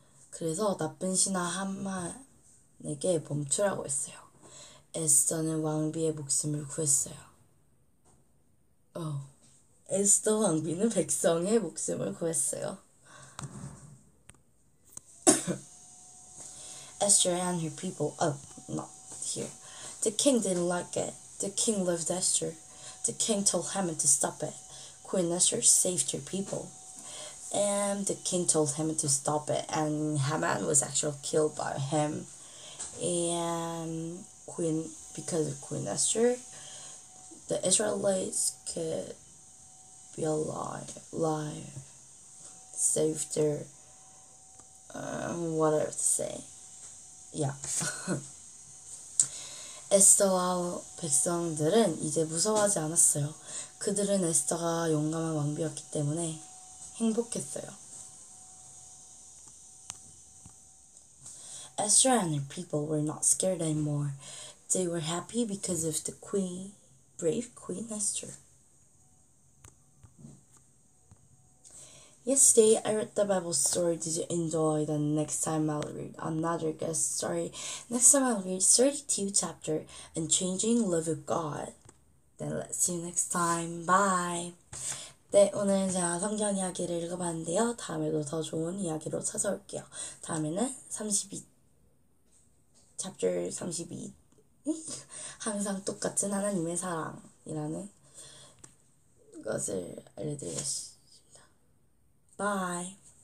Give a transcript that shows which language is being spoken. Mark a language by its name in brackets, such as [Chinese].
[Korean] 그래서 나쁜 신하 하만에게 멈추라고 했어요. 에스더는 왕비의 목숨을 구했어요. 에스더 왕비는 백성의 목숨을 구했어요. [English] Esther and her people, The king didn't like it. The king loved Esther. The king told Haman to stop it. Queen Esther saved her people. And the king told Haman to stop it, and Haman was actually killed by him. And Queen, because of Queen Esther, the Israelites could be alive, save their, whatever to say. Yeah. [Korean] 에스더와 백성들은 이제 무서워하지 않았어요. 그들은 에스더가 용감한 왕비였기 때문에 행복했어요. [English] Esther and her people were not scared anymore. They were happy because of the queen, brave Queen Esther. Yesterday, I read the Bible story. Did you enjoy? Then next time, I'll read another guest story. Next time, I'll read 32 chapter and changing love of God. Then let's see you next time. Bye. [Korean] 네, 오늘 제가 성경 이야기를 읽어봤는데요. 다음에도 더 좋은 이야기로 찾아올게요. 다음에는 chapter 32. 항상 똑같은 하나님의 사랑이라는 것을 알려드리겠습니다. Bye.